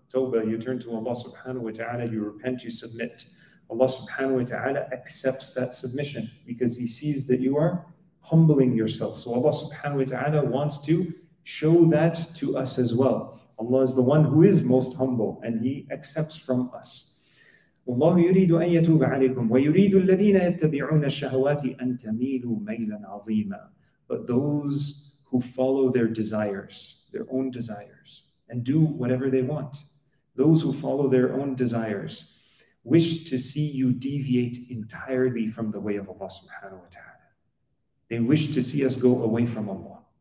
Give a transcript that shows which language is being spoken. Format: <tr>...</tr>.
<en>tawbah, you turn to Allah subhanahu wa ta'ala, you repent, you submit. Allah subhanahu wa ta'ala accepts that submission because He sees that you are humbling yourself. So Allah subhanahu wa ta'ala wants to show that to us as well. Allah is the one who is most humble and He accepts from us.</en> <ar>Allah يريد أن يتوب عليكم ويريد الذين يتبعون الشهوات أن تميلوا ميلا عظيما.</ar> <en>But those who follow their desires, their own desires, and do whatever they want, those who follow their own desires, wish to see you deviate entirely from the way of Allah subhanahu wa ta'ala. They wish to see us go away from Allah.</en>